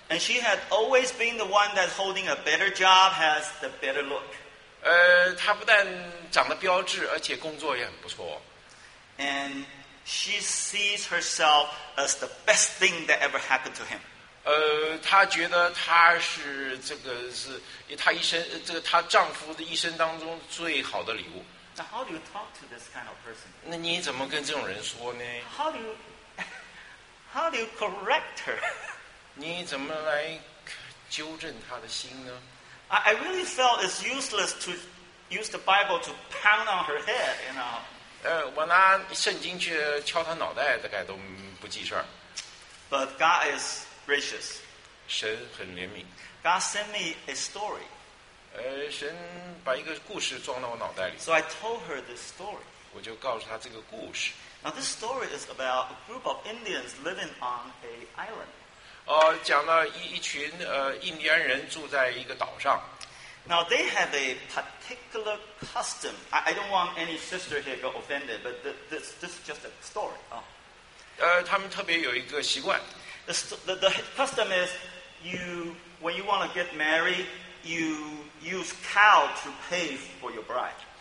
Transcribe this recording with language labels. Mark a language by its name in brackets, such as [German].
[English] And she had always been the one that holding a better job has the better look. [Chinese] 她不但长得标致，而且工作也很不错。 [English] And she sees herself as the best thing that ever happened to him. [Chinese] 她觉得她是这个是她一生这个她丈夫的一生当中最好的礼物。 [English] Now how do you talk to this kind of person? [Chinese] 那你怎么跟这种人说呢 [English] ？How do you correct her? [Chinese] 你怎么来纠正她的心呢？ [English] I really felt it's useless to use the Bible to pound on her head, you know. [Chinese] 我拿圣经去敲她脑袋，大概都不记事儿。 [English] But God is gracious. [Chinese] 神很怜悯。 [English] God sent me a story. [Chinese] 神把一个故事装到我脑袋里。 [English] So I told her this story. [Chinese] 我就告诉她这个故事。 [English] Now this story is about a group of Indians living on a island. [Chinese] 讲了一群印第安人住在一个岛上。 [English] Now they have a particular custom. I don't want any sister here to get offended, but this is just a story. [Chinese] 他们特别有一个习惯。 [English] The custom is when you want to get married, you use cow to pay for your bride.